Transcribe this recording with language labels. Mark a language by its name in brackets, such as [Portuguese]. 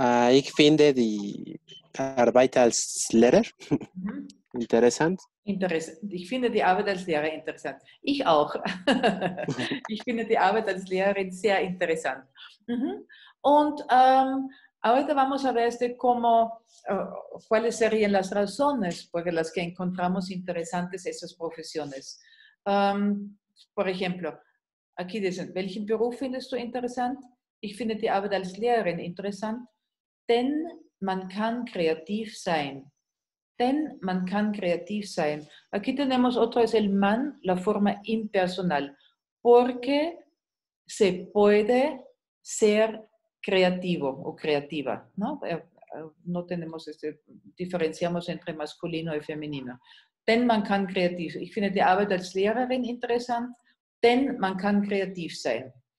[German] Ich finde die Arbeit als Lehrer interessant. Ich finde die Arbeit als Lehrer interessant. Ich auch. Ich finde die Arbeit als Lehrerin sehr interessant. [Spanish] Und ahorita vamos a ver este cómo, cuáles serían las razones por las que encontramos interesantes esas profesiones. Por ejemplo, aquí dicen, [German] welchen Beruf findest du interessant? Ich finde die Arbeit als Lehrerin interessant. Denn man kann kreativ sein. Denn man kann kreativ sein. [Spanish] Aquí tenemos otro, es el man, la forma impersonal. Porque se puede ser creativo o creativa, ¿no? no tenemos este, diferenciamos entre masculino y femenino. [German] Denn man kann kreativ, ich finde die Arbeit als Lehrerin interessant, denn man kann kreativ sein.